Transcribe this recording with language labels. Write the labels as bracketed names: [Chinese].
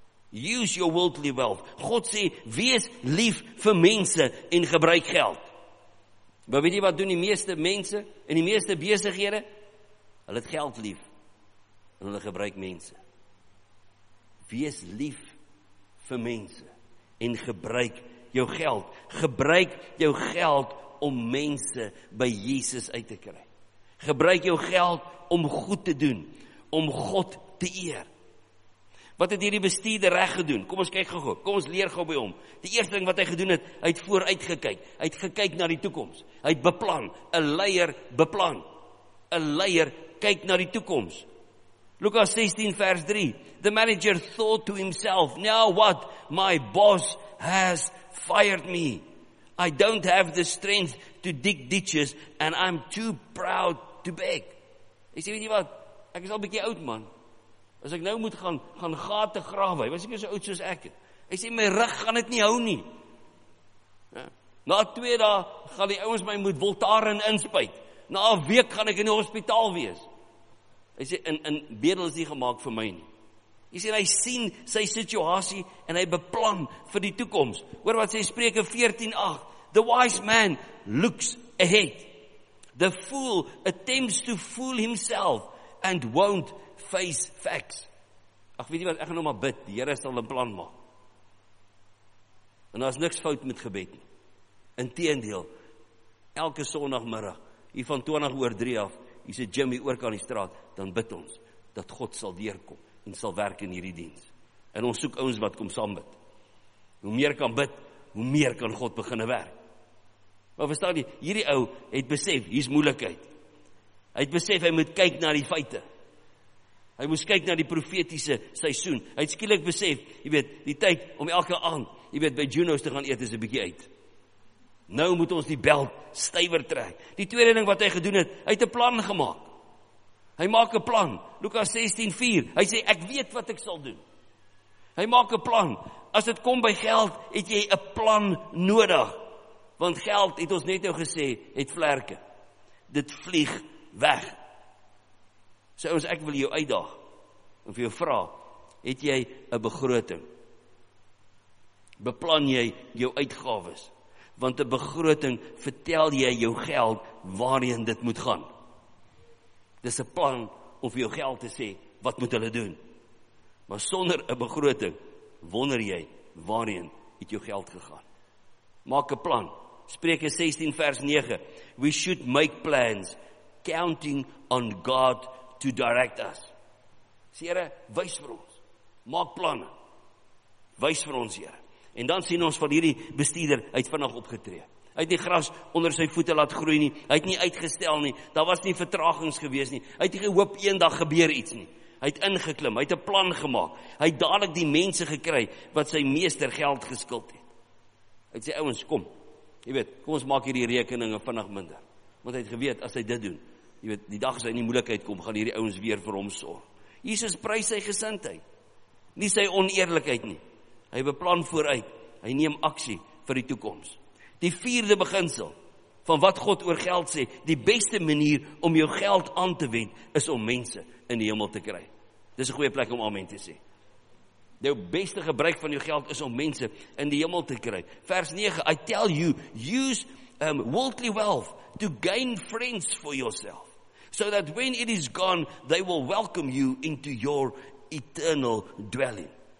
[English] Use your worldly wealth. [Afrikaans] God sê, wees lief vir mense en gebruik geld. Maar weet jy wat doen die meeste mense en die meeste besighede? Hulle het geld lief en hulle gebruik mense. Wees lief vir mense en gebruik jou geld. Gebruik jou geld om mense by Jesus uit te kry. Gebruik jou geld om goed te doen, om God te eer. Wat het hierdie bestuurder reg gedoen? Kom ons kyk gou. Kom ons leer gou by hom. Die eerste ding wat hy gedoen het, hy het vooruit gekyk. Hy het gekyk na die toekoms. Hy het beplan. 'N leier beplan. 'N leier kyk na die toekoms. Lukas 16 vers 3. [English] The manager thought to himself, "Now what? My boss has fired me. I don't have the strength to dig ditches and I'm too proud to beg." [Afrikaans] Hy sê, weet jy wat? Ek is al 'n bietjie oud, man. As ek nou moet gaan gate grawe, hy was nie so oud soos ek. Hy sê, my rug gaan dit nie hou nie. Na 2 dae gaan die ouwens my moet Voltaren inspuit. Na 'n week gaan ek in die hospitaal wees. Hy sê, in bedel is nie gemaakt vir my nie. Hy sê, hy sien sy situasie en hy beplan vir die toekoms. Hoor wat sy Spreuke 14:8. [English] The wise man looks ahead. The fool attempts to fool himself and won't face facts. [Afrikaans] Ag, weet jy wat, ek gaan nou maar bid, die Here sal 'n plan maak. En daar is niks fout met gebed nie. Inteendeel, elke sonoggemiddag, hier van 2:20 af, hier sit Jimmy oor kan die straat, dan bid ons, dat God sal deurkom, en sal werk in hierdie diens. En ons soek ouens wat kom saam bid. Hoe meer kan bid, hoe meer kan God beginne werk. Maar verstaan jy, hierdie ou het besef, hier is moeilikheid. Hy het besef, hy moet kyk na die feite. Hy moes kyk na die profetiese seisoen. Hy het skielik besef, jy weet, die tyd om elke aand, jy weet, by Juno's te gaan eet is 'n bietjie uit. Nou moet ons die belt stywer trek. Die tweede ding wat hy gedoen het, hy het 'n plan gemaak. Hy maak 'n plan. Lukas 16:4. Hy sê, ek weet wat ek sal doen. Hy maak 'n plan. As dit kom by geld, het jy 'n plan nodig. Want geld, het ons net nou gesê, het vlerke. Dit vlieg weg. So ons, ek wil jou uitdaag, of jou vraag, het jy 'n begroting? Beplan jy jou uitgawes? Want 'n begroting vertel jy jou geld waarheen dit moet gaan. Dis 'n plan om vir jou geld te sê, wat moet hulle doen? Maar sonder 'n begroting, wonder jy waarheen het jou geld gegaan? Maak 'n plan. Spreuke 16 vers 9. [English] We should make plans. counting on God to direct us. [Afrikaans] Sê Here, wys vir ons. Maak planne. Wys vir ons, Here. En dan sien ons van hierdie bestuurder, hy het vinnig opgetree. Hy het nie gras onder sy voete laat groei nie, hy het nie uitgestel nie, daar was nie vertragings gewees nie, hy het nie gehoop een dag gebeur iets nie. Hy het ingeklim, hy het 'n plan gemaak, hy het dadelik die mense gekry, wat sy meester geld geskuld het. Hy het sê, ouwens, kom, jy weet, kom ons maak hierdie rekeninge vinnig minder. Want hy het geweet, as hy dit doen, jy weet, die dag as hy in die moeilikheid kom, gaan hierdie ouwens weer vir hom sorg. Jesus prys sy gesindheid, nie sy oneerlikheid nie. Hy beplan vooruit, hy neem aksie vir die toekoms. Die vierde beginsel van wat God oor geld sê, die beste manier om jou geld aan te wend, is om mense in die hemel te kry. Dis 'n goeie plek om amen te sê. Jou beste gebruik van jou geld is om mense in die hemel te kry. [English] Vers 9, I tell you, use worldly wealth to gain friends for yourself, so that when it is gone, they will welcome you into your eternal dwelling.